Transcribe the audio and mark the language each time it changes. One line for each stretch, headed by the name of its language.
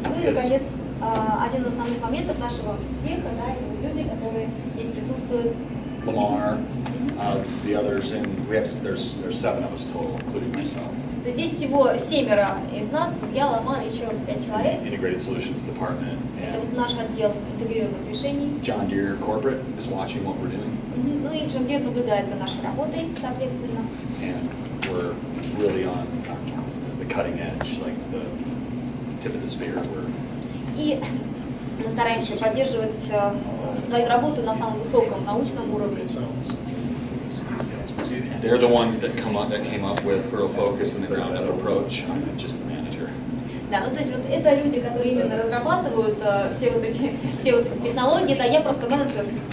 Russian: Ну и наконец, один из основных моментов нашего успеха, да, люди, которые здесь присутствуют.
English: Lamar, the others, and we have there's seven of us total, including myself.
Russian: То здесь всего семеро из нас, я, Ламар, еще пять человек.
English: Integrated Solutions Department.
Russian: Это вот наш отдел интегрированных решений.
English: John Deere Corporate is watching what we're doing.
Russian: Ну и John Deere наблюдает за нашей работой, соответственно.
English: And we're really on the cutting edge, like the tip of the spear.
Russian: И мы стараемся поддерживать свою работу на самом высоком научном уровне.
English: They're the ones that come up, that came up with furrow focus and the ground up approach. I'm not just the manager.
Russian: Да, ну то есть вот это люди, которые именно разрабатывают все вот эти технологии, да, я просто менеджер.